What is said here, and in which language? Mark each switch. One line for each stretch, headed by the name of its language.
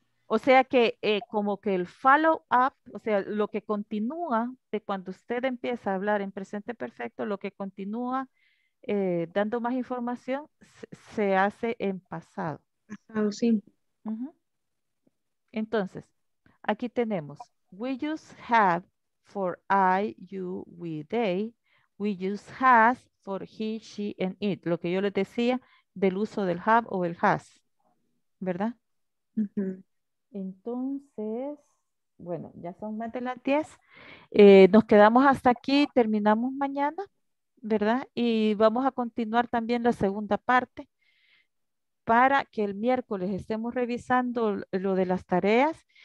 Spanish: O sea que como que el follow up, o sea, lo que continúa de cuando usted empieza a hablar en presente perfecto, lo que continúa dando más información, se hace en pasado. Pasado simple. Entonces, aquí tenemos,
English: we use have for I, you, we, they, we use has for he, she, and it.
Spanish: Lo que yo les decía del uso del have o el has, ¿verdad? Entonces, bueno, ya son más de las 10. Nos quedamos hasta aquí, terminamos mañana, ¿verdad? Y vamos a continuar también la segunda parte. Para que el miércoles estemos revisando lo de las tareas.